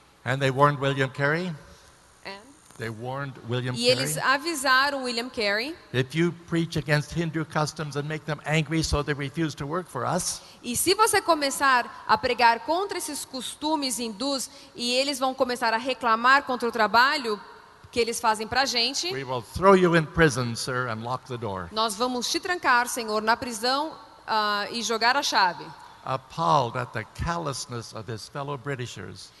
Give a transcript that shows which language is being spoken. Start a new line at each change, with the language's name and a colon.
English: And they warned William Carey. They warned William Carey.
Portuguese: E eles avisaram William Carey.
English: If you preach against Hindu customs and make them angry so they refuse to work for us.
Portuguese: E se você começar a pregar contra esses costumes hindus e eles vão começar a reclamar contra o trabalho que eles fazem para a gente.
English: We will throw you in prison, sir, and lock the door.
Portuguese: Nós vamos te trancar, senhor, na prisão e jogar a chave.
English: Appalled at the callousness of his fellow Britishers.